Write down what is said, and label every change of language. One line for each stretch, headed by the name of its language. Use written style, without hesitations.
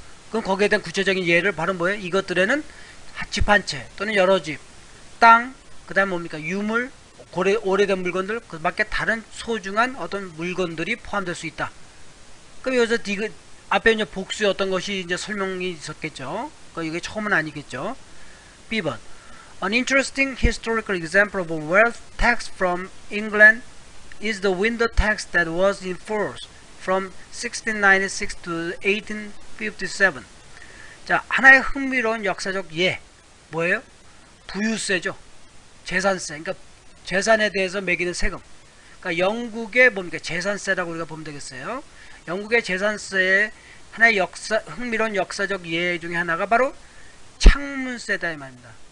Korean: 그럼 거기에 대한 구체적인 예를 바로 뭐예요? 이것들에는 집한채 또는 여러 집, 땅, 그다음 뭡니까? 유물, 오래된 물건들, 그 밖에 다른 소중한 어떤 물건들이 포함될 수 있다. 그럼 여기서 디귿 앞에 이제 복수였던 것이 이제 설명이 있었겠죠. 그 이게 처음은 아니겠죠. B번.
English: An interesting historical example of wealth tax from England is the window tax that was enforced from 1696 to 1857.
Korean: 자, 하나의 흥미로운 역사적 예. 뭐예요? 부유세죠. 재산세. 그러니까 재산에 대해서 매기는 세금. 그러니까 영국의 뭡니까? 재산세라고 우리가 보면 되겠어요. 영국의 재산세에 하나의 흥미로운 역사적 예 중에 하나가 바로 창문세다 이 말입니다.